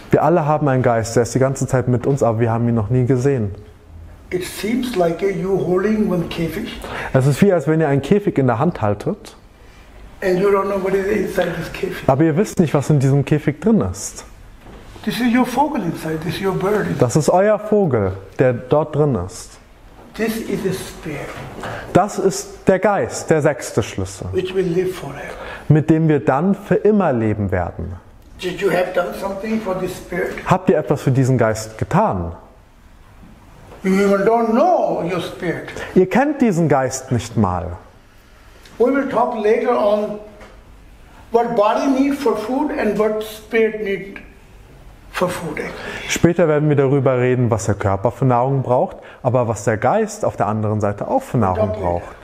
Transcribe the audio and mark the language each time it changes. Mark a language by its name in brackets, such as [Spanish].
[German] Wir alle haben einen Geist, der ist die ganze Zeit mit uns, aber wir haben ihn noch nie gesehen. [English] It seems like you holding one Käfig. [German] Es ist wie, als wenn ihr einen Käfig in der Hand haltet. [English] And you don't know what is inside this Käfig. [German] Aber ihr wisst nicht, was in diesem Käfig drin ist. [English] This is your vogel inside. This is your bird. [German] Das ist euer Vogel, der dort drin ist. [English] This is the spirit. [German] Das ist der Geist, der sechste Schlüssel. [English] Which will live forever. [German] Mit dem wir dann für immer leben werden. [English] Did you have done something for this spirit? [German] Habt ihr etwas für diesen Geist getan? [English] You even don't know your spirit. [German] Ihr kennt diesen Geist nicht mal. [English] We will talk later on what body need for food and what spirit need for food. [German] Später werden wir darüber reden, was der Körper für Nahrung braucht, aber was der Geist auf der anderen Seite auch für Nahrung braucht.